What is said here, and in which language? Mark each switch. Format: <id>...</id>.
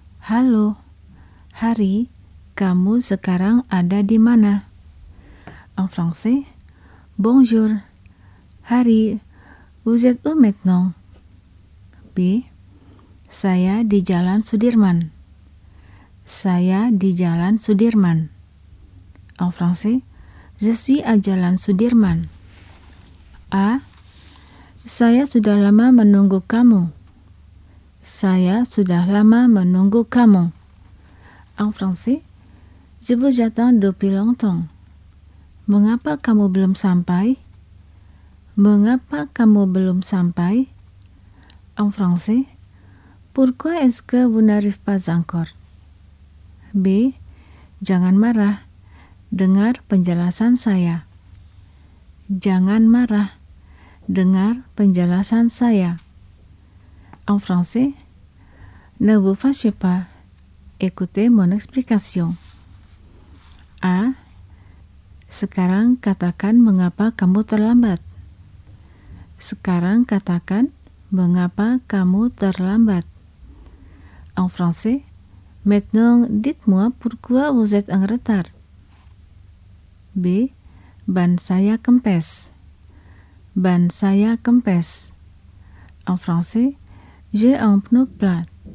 <id>Hallo, Harry, kamu sekarang ada di mana?</id> <fr>En français, bonjour, Harry, vous êtes où maintenant?</fr> <id>B, saya di jalan Sudirman. Saya di jalan Sudirman.</id> <fr>En français, je suis à jalan Sudirman.</fr> <id>A, saya sudah lama menunggu kamu. Saya sudah lama menunggu kamu.</id> <fr>En français, je vous attends depuis longtemps.</fr> <id>Mengapa kamu belum sampai? Mengapa kamu belum sampai?</id> <fr>En français, pourquoi est-ce que vous n'arrivez pas encore?</fr> <id>B, jangan marah. Dengar penjelasan saya. Jangan marah. Dengar penjelasan saya.</id> <fr>En français, ne vous fâchez pas. Écoutez mon explication.</fr> <id>A, sekarang katakan mengapa kamu terlambat. Sekarang katakan mengapa kamu terlambat.</id> <fr>En français, maintenant dites-moi pourquoi vous êtes en retard.</fr> <id>B, ban saya kempes. Ban saya kempes.</id> <fr>En français, j'ai un pneu plat.</fr>